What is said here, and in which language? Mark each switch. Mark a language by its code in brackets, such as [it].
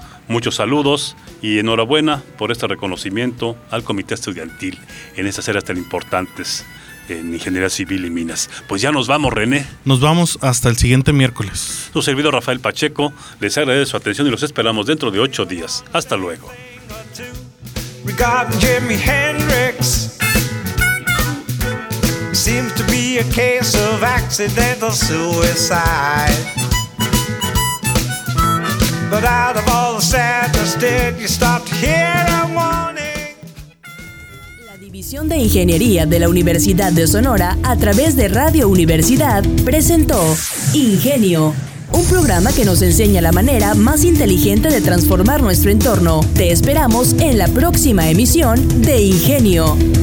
[es] Muchos saludos y enhorabuena por este reconocimiento al Comité Estudiantil en estas áreas tan importantes en Ingeniería Civil y Minas. Pues ya nos vamos, René. Nos vamos hasta el siguiente miércoles. Su servidor Rafael Pacheco les agradece su atención y los esperamos dentro de 8 días. Hasta luego. [en] Regarding Jimi Hendrix, seems to be a case of accidental suicide. But out of all the sadness, did you stop to hear a warning? [es] La División de Ingeniería de la Universidad de Sonora, a través de Radio Universidad, presentó Ingenio, un programa que nos enseña la manera más inteligente de transformar nuestro entorno. Te esperamos en la próxima emisión de Ingenio.